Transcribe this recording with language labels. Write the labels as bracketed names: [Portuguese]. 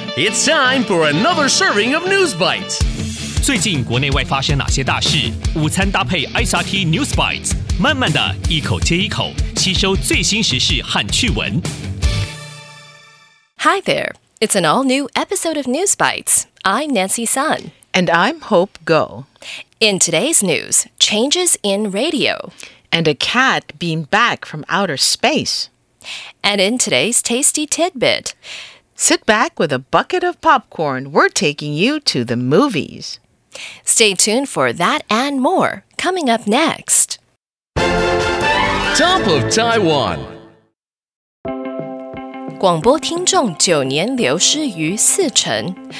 [English] It's time for another serving of News Bites. [Chinese] 最近国内外发生哪些大事？午餐搭配 SRT News Bites， 慢慢的一口接一口，吸收最新时事和趣闻。 [English] Hi there, it's an all-new episode of News Bites. I'm Nancy Sun. And I'm Hope Ngo. In today's news, changes in radio. And a cat beamed back from outer space. And in today's Tasty Tidbit, sit back with a bucket of popcorn. We're taking you to the movies. Stay tuned for that and more, coming up next. Top of Taiwan. [Chinese] 广播听众九年流失于四成。